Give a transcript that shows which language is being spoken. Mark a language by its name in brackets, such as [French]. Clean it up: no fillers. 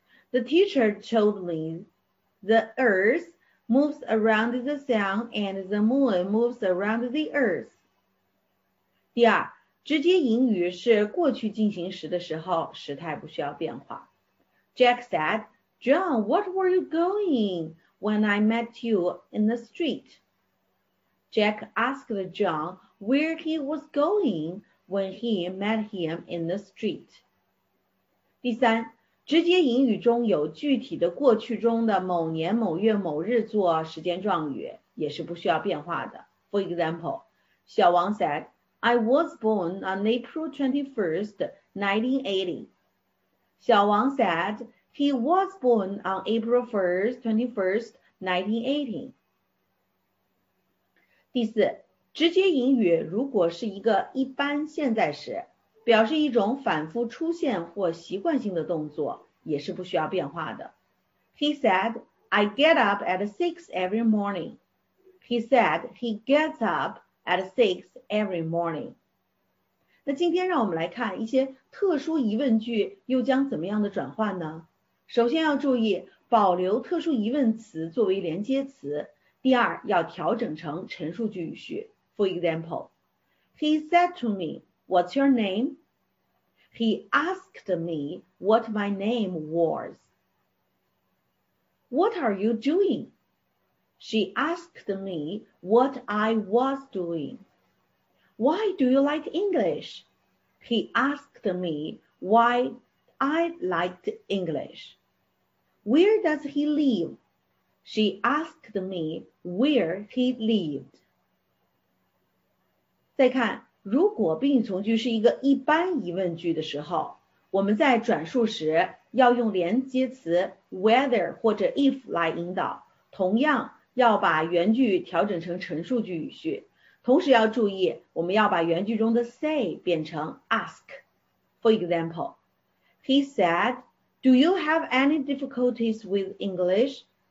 [English] The teacher told me the earth moves around the sun and the moon moves around the earth. [Chinese] 第二，直接引语是过去进行时的时候，时态不需要变化。 [English] Jack said, John, what were you going when I met you in the street? Jack asked John where he was going when he met him in the street. [Chinese] 第三，直接引语中有具体的过去中的某年某月某日做时间状语，也是不需要变化的。 [English] For example, 小王 said, I was born on April 21st, 1980. 小王 said, he was born on April 1st, 21st, 1980. [Chinese] 第四，直接引语如果是一个一般现在时，表示一种反复出现或习惯性的动作，也是不需要变化的。 [English] He said, I get up at 6 every morning. He said, he gets up at 6 every morning. [Chinese] 那今天让我们来看一些特殊疑问句又将怎么样的转换呢？首先要注意保留特殊疑问词作为连接词，第二要调整成陈述句语序。 [English] For example, He said to me,What's your name? He asked me what my name was. What are you doing? She asked me what I was doing. Why do you like English? He asked me why I liked English. Where does he live? She asked me where he lived. [Chinese] 再看如果宾语从句是一个一般疑问句的时候，我们在转述时要用连接词 whether 或者 if 来引导，同样要把原句调整成陈述句语序，同时要注意我们要把原句中的 say 变成 ask。 [English] For example, He said, Do you have any difficulties with English?